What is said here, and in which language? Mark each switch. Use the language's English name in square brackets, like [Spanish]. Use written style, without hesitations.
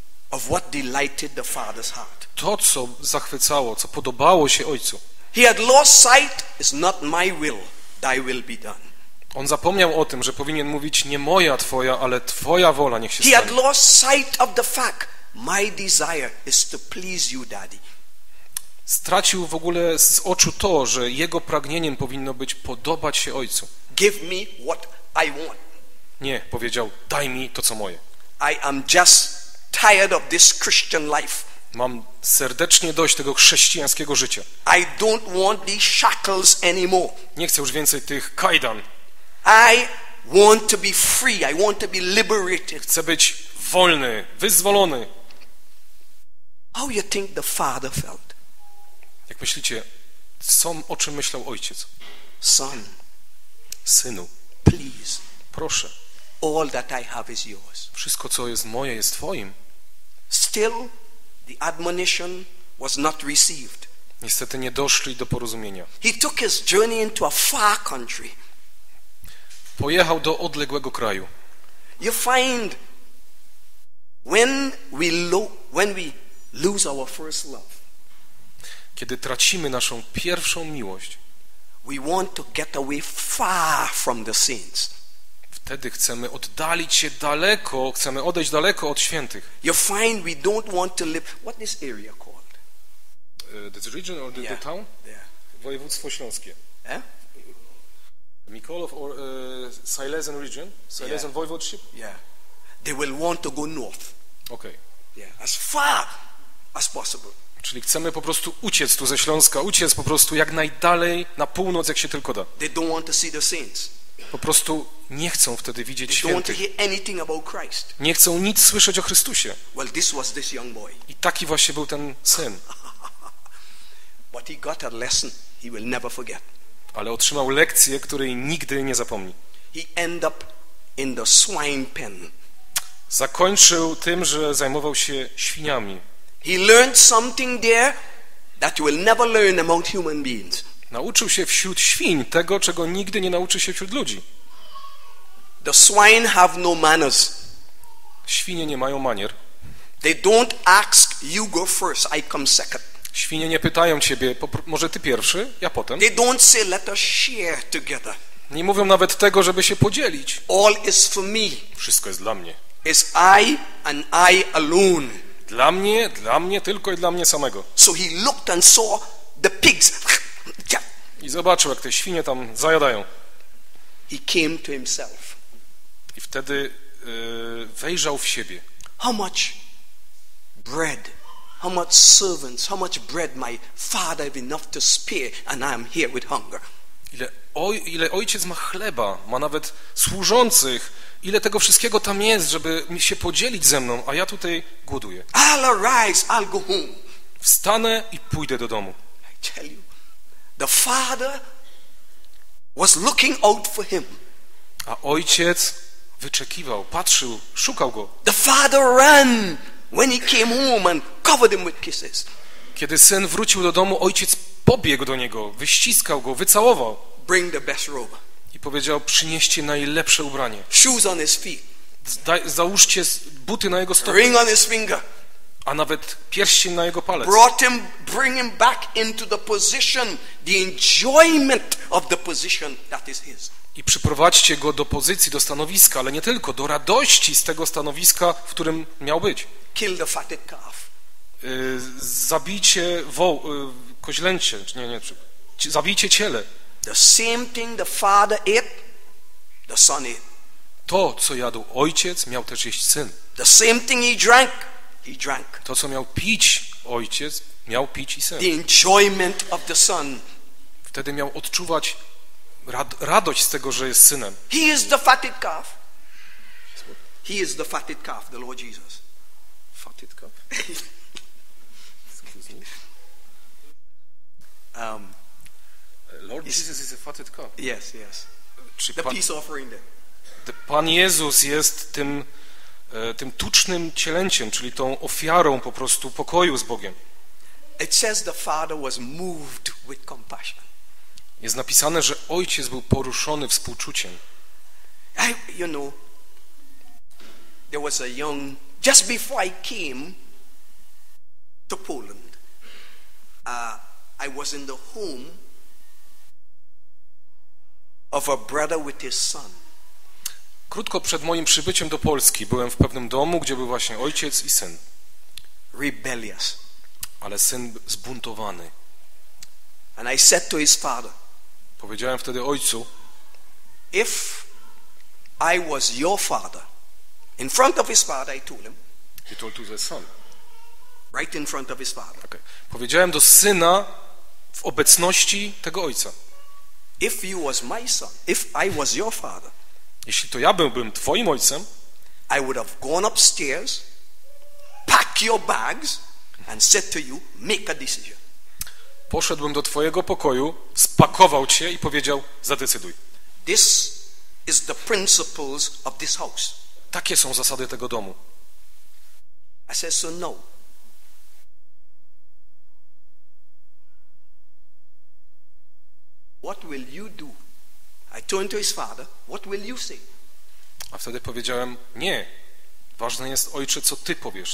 [English] of what delighted the father's heart. [Polish] To, co zachwycało, co podobało się ojcu. [English] He had lost sight, it's not my will, thy will be done. [Polish] On zapomniał o tym, że powinien mówić nie moja, twoja, ale twoja wola niech się stanie. [English] He had lost sight of the fact, my desire is to please you, daddy. [Polish] Stracił w ogóle z oczu to, że jego pragnieniem powinno być podobać się ojcu. [English] Give me what I want. [Polish] Nie, powiedział, daj mi to, co moje. [English] I am just tired of this Christian life. [Polish] Mam serdecznie dość tego chrześcijańskiego życia. [English] I don't want these shackles anymore. [Polish] Nie chcę już więcej tych kajdan. [English] I want to be free. I want to be liberated. [Polish] Chcę być wolny, wyzwolony. [English] How you think the father felt? [Polish] Jak myślicie, co, o czym myślał ojciec? [English] Son, [Polish] synu, [English] please, [Polish] proszę. [English] All that I have is yours. [Polish] Wszystko, co jest moje, jest twoim. [English] Still, the admonition was not received. [Polish] Niestety nie doszli do porozumienia. [English] He took his journey into a far country. [Polish] Pojechał do odległego kraju. [English] You find when we lose our first love. [Polish] Kiedy tracimy naszą pierwszą miłość. [English] We want to get away far from the saints. [Polish] Wtedy chcemy oddalić się daleko, chcemy odejść daleko od świętych. [English] You find we don't want to live. What this area called? This region or the town? Yeah. [Polish] Województwo śląskie. Eh? [English] Mikołow or Silesian region? Silesian voivodeship? Yeah. They will want to go north. Okay. Yeah, as far as possible. [Polish] Czyli chcemy po prostu uciec tu ze Śląska, uciec po prostu jak najdalej na północ, jak się tylko da. [English] They don't want to see the saints. [Polish] Po prostu nie chcą wtedy widzieć świętych. Nie chcą nic słyszeć o Chrystusie. [English] Well, this was this young boy. [Polish] I taki właśnie był ten syn. [English] But he got a lesson he will never forget. [Polish] Ale otrzymał lekcję, której nigdy nie zapomni. [English] He end up in the swine pen. [Polish] Zakończył tym, że zajmował się świniami. [English] He learned something there that you will never learn among human beings. [Polish] Nauczył się wśród świń tego, czego nigdy nie nauczy się wśród ludzi. [English] The swine have no manners. [Polish] Świnie nie mają manier. [English] They don't ask you go first, I come second. [Polish] Świnie nie pytają ciebie, może ty pierwszy, ja potem. [English] They don't say, let us share together. [Polish] Nie mówią nawet tego, żeby się podzielić. [English] All is for me. [Polish] Wszystko jest dla mnie. [English] It's I and I alone. [Polish] Dla mnie tylko i dla mnie samego. [English] So he looked and saw the pigs. [Polish] I zobaczył, jak te świnie tam zajadają. [English] He came to himself. [Polish] I wtedy wejrzał w siebie. [English] How much bread, how much servants, how much bread my father have enough to spare, and I am here with hunger. [Polish] Ile ojciec ma chleba, ma nawet służących, ile tego wszystkiego tam jest, żeby mi się podzielić ze mną, a ja tutaj głoduję. [English] I'll arise, I'll go home. [Polish] Wstanę i pójdę do domu. [English] I tell you. The father was looking out for him. [Polish] A ojciec wyczekiwał, patrzył, szukał go. [English] The father ran when he came home and covered him with kisses. [Polish] Kiedy syn wrócił do domu, ojciec pobiegł do niego, wyściskał go, wycałował. [English] Bring the best robe. [Polish] I powiedział: przynieście najlepsze ubranie. [English] Shoes on his feet. [Polish] Załóżcie buty na jego stopie. [English] Ring on his finger. [Polish] A nawet pierścień na jego palec. [English] Brought him, bring him back into the position, the enjoyment of the position that is his. [Polish] I przyprowadźcie go do pozycji, do stanowiska, ale nie tylko, do radości z tego stanowiska, w którym miał być. [English] Kill the fatted calf. [Polish] zabijcie koźlęcie, czy nie, zabijcie ciele. [English] The same thing the father ate, the son ate. [Polish] To, co jadł ojciec, miał też jeść syn. [English] The same thing he drank. [Polish] To, co miał pić ojciec, miał pić i syn. [English] The enjoyment of the son. [Polish] Wtedy miał odczuwać radość z tego, że jest synem. [English] He is the fatted calf. He is the fatted calf, the Lord Jesus. Fatted calf? Lord Jesus is a fatted calf. Yes, yes. The peace offering then. [Polish] Pan Jezus jest tym, tym tucznym cielęciem, czyli tą ofiarą po prostu pokoju z Bogiem. [English] It says the father was moved with compassion. [Polish] Jest napisane, że ojciec był poruszony współczuciem. [English] You know, there was a young, just before I came to Poland, I was in the home of a brother with his son. [Polish] Krótko przed moim przybyciem do Polski byłem w pewnym domu, gdzie był właśnie ojciec i syn. [English] Rebellious. [Polish] Ale syn zbuntowany. [English] And I said to his father, [Polish] powiedziałem wtedy ojcu, [English] if I was your father, in front of his father, I told him. He told to the son. Right in front of his father. Okay. [Polish] Powiedziałem do syna w obecności tego ojca. [English] If you was my son, if I was your father, [Polish] jeśli to ja byłbym twoim ojcem, [English] I would have gone upstairs, pack your bags and said to you, make a decision. [Polish] Poszedłbym do twojego pokoju, spakował cię i powiedział, zadecyduj. [English] This is the principles of this house. [Polish] Takie są zasady tego domu. [English] I said, so no. What will you do? I turned to his father. What will you say? [Polish] A wtedy powiedziałem, nie. Ważne jest, ojcze, co ty powiesz.